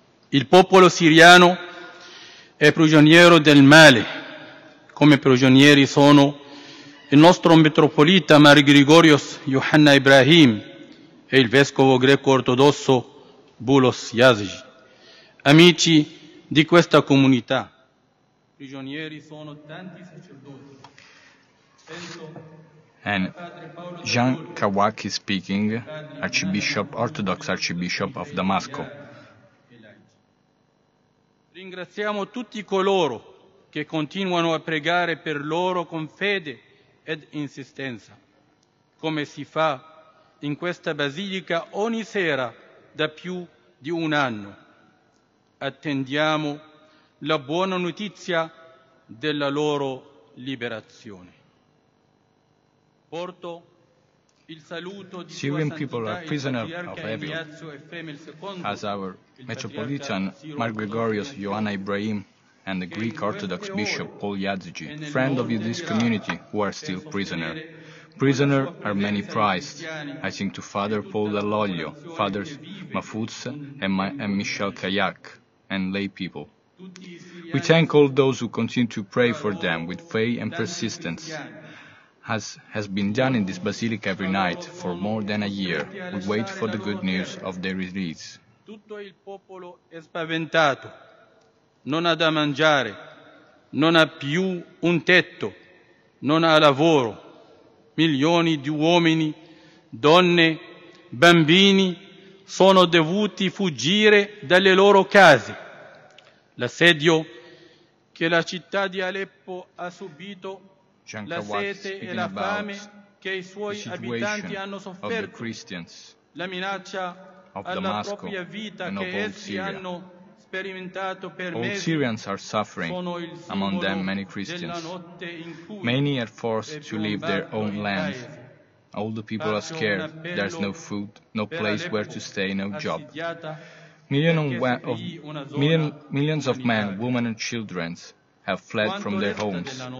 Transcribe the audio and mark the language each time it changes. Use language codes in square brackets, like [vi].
[it] Il popolo siriano è prigioniero del male, come prigionieri sono il nostro metropolita Mar Grigorios Johanna Ibrahim e il vescovo greco-ortodosso Boulos Yazici. Amici di questa comunità, prigionieri sono tanti sacerdoti. [en] And Jean Kawaki speaking, Archbishop, Orthodox Archbishop of Damasco. [it] Ringraziamo tutti coloro che continuano a pregare per loro con fede ed insistenza, come si fa in questa basilica ogni sera da più di un anno. Attendiamo la buona notizia della loro liberazione. Porto il saluto di [en] Syrian people are prisoners of Evil, as our Metropolitan Mar Grigorios Johanna Ibrahim and the Greek Orthodox Bishop Paul Yazici, friend of this community, who are still prisoner. Prisoner are many prized. I think to Father Paul Dall'Oglio, Fathers Mafuz and Michel Kayak, and lay people. We thank all those who continue to pray for them with faith and persistence, as has been done in this basilica every night for more than a year. We wait for the good news of their release. [it] Tutto il popolo è spaventato, non ha da mangiare, non ha più un tetto, non ha lavoro. Milioni di uomini, donne, bambini sono dovuti fuggire dalle loro case. L'assedio che la città di Aleppo ha subito, la sete e la fame che i suoi abitanti hanno sofferto, la minaccia alla propria vita che essi hanno sperimentato per mesi, [en] all Syrians are suffering, among them many Christians. Many are forced to leave their own land. All the people are scared. There's no food, no place where to stay, no job. Millions of men, women and children have fled from their homes.